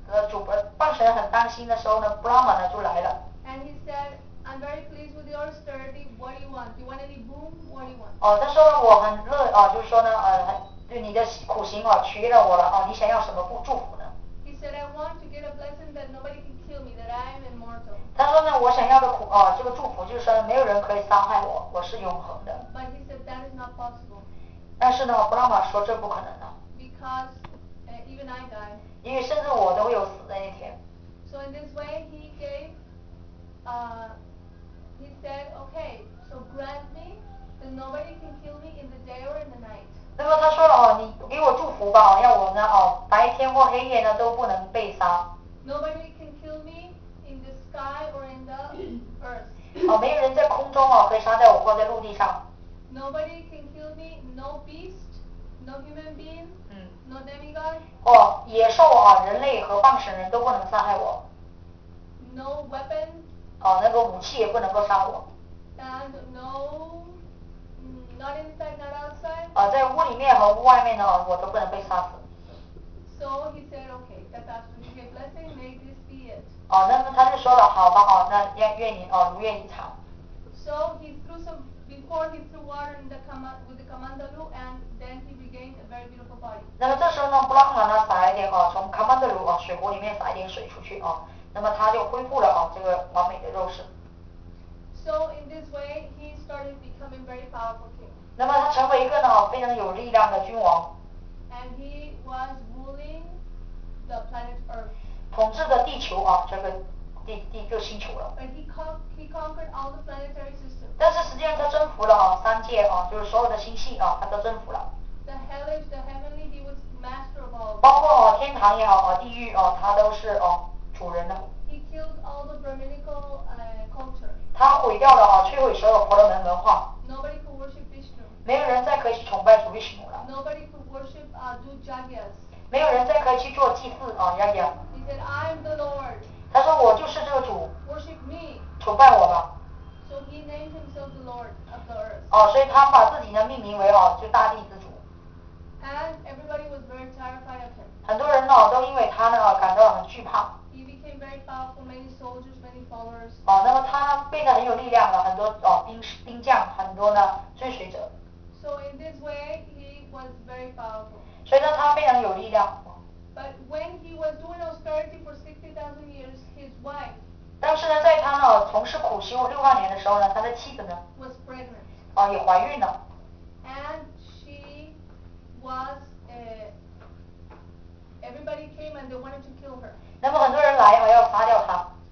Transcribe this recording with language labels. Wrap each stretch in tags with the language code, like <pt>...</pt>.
<zh>主半神很担心的时候呢 ，Brahma 呢就来了。</zh> <en>And he said, I'm very pleased with your austerity. What do you want? Do you want any boon? What do you want?</en> <zh>他说我很乐就是说呢，对你的苦行取悦了我了你想要什么祝福呢</zh> <en>？He said, I want to get a blessing that nobody can kill me, that I am immortal.</en> <zh>他说呢，我想要的这个祝福就是说没有人可以伤害我，我是永恒的。</zh> <en>But he said that is not possible.</en> <zh>但是呢 ，Brahma 说这不可能的。</zh> <en>Because even I die.</en> <zh>因为甚至我都有死的那天。</zh> <en>So in this way, he gave, he said, okay, so grant me that nobody can kill me in the day or in the night.</en> <zh>那么他说了你给我祝福吧，要我呢白天或黑夜呢都不能被杀。</zh> <en>Nobody can kill me in the sky or in the earth.</en> <zh>没有人在空中可以杀掉我或在陆地上。</zh> <en>Nobody can kill me, no beast, no human being. No demigod.</en> <zh>野兽人类和半神人都不能伤害我。</zh> <en>No weapon.</en> <zh>那个武器也不能够杀我。</zh> <en>And no, not inside, not outside.</en> <zh>在屋里面和屋外面呢，我都不能被杀死。</zh> <en>So he said, okay, that's absolutely a blessing. May this be it.</en> <zh>那么他就说了，好吧，那愿你，如愿以偿。</zh> <en>So he threw before he threw water in the with the kamandalu, and then he regained a very beautiful body.</en> <zh>那么这时候呢，布拉玛呢撒一点从 kamandalu 水壶里面撒一点水出去那么他就恢复了这个完美的肉身。</zh> <en>So in this way, he started becoming very powerful king.</en> <zh>那么他成为一个呢非常有力量的君王。</zh> <en>And he was ruling the planet Earth.</en> <zh>统治的地球这个第一个星球了。</zh> <en>But he conquered all the planetary systems.</en> <zh>但是实际上他征服了三界就是所有的星系他都征服了。</zh> <en>The hellish, the heavenly, he was master of all.</en> <zh>包括天堂也好地狱他都是主人呢。</zh> <en>He killed all the Brahminical culture.</en> <zh>他毁掉了摧毁所有婆罗门文化。</zh> <en>Nobody could worship Vishnu.</en> <zh>没有人再可以崇拜主 Vishnu 了。</zh> <en>Nobody could worship do jagyas.</en> <zh>没有人再可以去做祭祀jagya.</zh> <en>He said, I am the Lord.</en> <zh>他说我就是这个主。</zh> <en>Worship me.</en> <zh>崇拜我吧。</zh> <en>So he named himself the Lord of the earth.</en> <zh>所以他把自己呢命名为就大地之主。</zh> <en>And everybody was very terrified of him.</en> <zh>很多人呢都因为他呢感到很惧怕。</zh> <en>Very powerful, many soldiers, many followers.</en> <zh>那么他变得很有力量了，很多兵将，很多呢追随者。</zh> <en>So in this way, he was very powerful.</en> <zh>所以呢，他非常有力量。</zh> <en>But when he was doing austerity for 60,000 years, his wife.</en> <zh>但是呢，在他呢从事苦修六万年的时候呢，他的妻子呢</zh> <en>was pregnant.</en> <zh>也怀孕了。</zh> <en>And she was everybody came and they wanted to kill her.</en> <zh>那么很多人来要杀掉他。</zh>